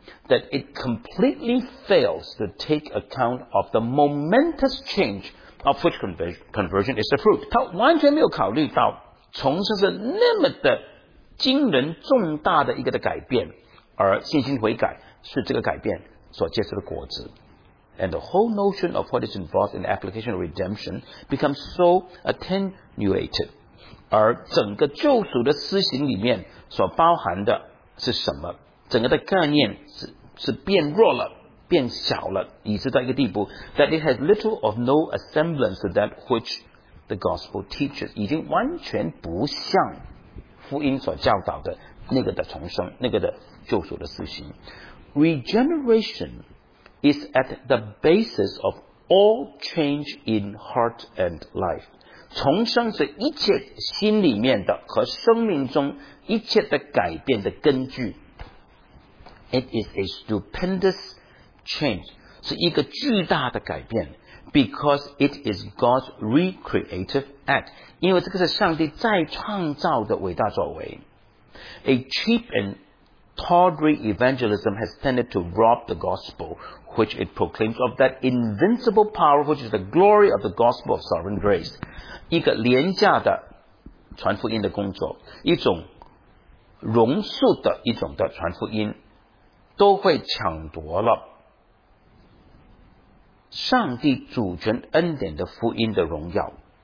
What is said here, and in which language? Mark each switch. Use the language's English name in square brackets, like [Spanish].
[English] that it completely fails to take account of the momentous change of which conversion is the fruit [Chinese] 他完全没有考虑到重生是那么的惊人重大的一个的改变而信心悔改是这个改变所结出的果子 [English] And the whole notion of what is involved in the application of redemption becomes so attenuated. [Chinese] 而整个救赎的施行里面所包含的是什么？整个的概念 是变弱了，变小了，以至到一个地步 [English] that it has little or no semblance to that which the gospel teaches. [Chinese] 已经完全不像福音所教导的那个的重生，那个的救赎的施行。 [English] Regeneration. Is at the basis of all change in heart and life. [Chinese] 重生是一切心里面的和生命中一切的改变的根据。 [English] It is a stupendous change, [Chinese] 是一个巨大的改变 [English] because it is God's recreative act. [Chinese] 因为这个是上帝再创造的伟大作为。 [English] A cheap and tawdry evangelism has tended to rob the gospel. Which it proclaims of that invincible power, which is the glory of the gospel of sovereign grace. [Chinese] 一个廉价的传福音的工作，一种容术的一种的传福音，都会抢夺了上帝主权恩典的福音的荣耀。